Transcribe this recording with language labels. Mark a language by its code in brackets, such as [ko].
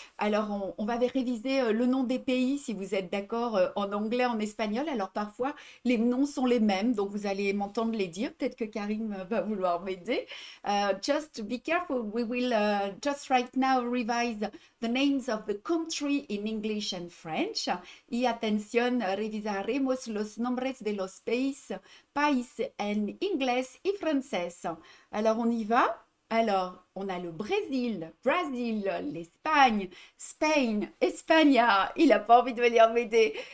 [fr] Alors, on va réviser le nom des pays, si vous êtes d'accord, en anglais, en espagnol. Alors, parfois, les noms sont les mêmes, donc vous allez m'entendre les dire. Peut-être que Karim va vouloir m'aider. [en] Just be careful, we will just right now revise the names of the country in English and French. [es] Y atención, revisaremos los nombres de los países en inglés y francés. [fr] Alors, on y va? Alors, on a le Brésil, l'Espagne, Spain, España, il n'a pas envie de venir m'aider.